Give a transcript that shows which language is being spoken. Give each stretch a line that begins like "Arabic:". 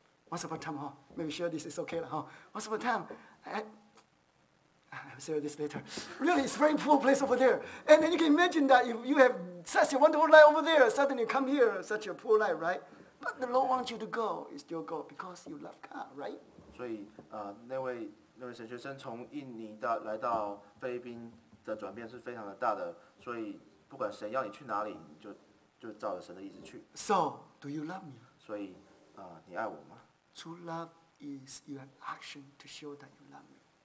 English: Once upon a time, maybe share this is okay, Once upon a time, I'll share this later. Really, it's a very poor place over there. And then you can imagine that if you have such a wonderful life over there, suddenly you come here, such a poor life, right? But the Lord wants you to go, you still go, because you love God, right?
Chinese: 所以那位神学生从印尼来到菲律宾的转变是非常的大的，所以不管神要你去哪里，你就照着神的意思去。
English: So, do you love me?
Chinese: 所以你爱我吗？
English: True love is your action to show that you love me.